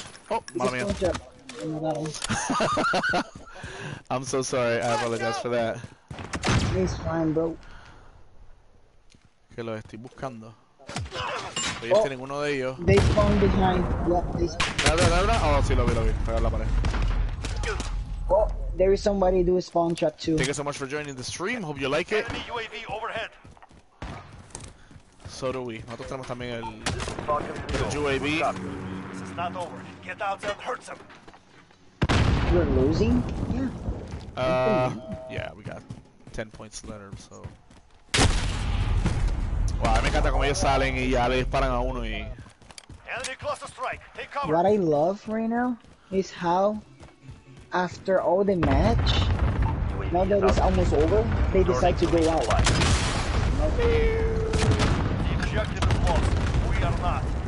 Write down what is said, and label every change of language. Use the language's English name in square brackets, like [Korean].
[English] Oh, [Spanish] mala mía. [English] I'm so sorry, I apologize for that. It's fine, bro. [Spanish] Que lo estoy buscando. Oye, oh, este ninguno de ellos. [English] They spawn behind. Yep, they spawn. [Spanish] ¿Dale? Oh, sí, lo vi. Pegar la pared. Oh, [English] There is somebody do a spawn trap too. Thank you so much for joining the stream. Hope you like it. Enemy UAV overhead. So do we. [Spanish] Nosotros tenemos también el UAV. [English] This is not over. Get out there and hurt them. You're losing? Yeah. Yeah, we got 10 points left, so. [Spanish] Wow, me encanta como ellos salen y ya le disparan a uno y. [English] Enemy cluster strike. Take cover. What I love right now is how, after all the match, now that it's almost over, they decide to go out. The objective is lost. We are not.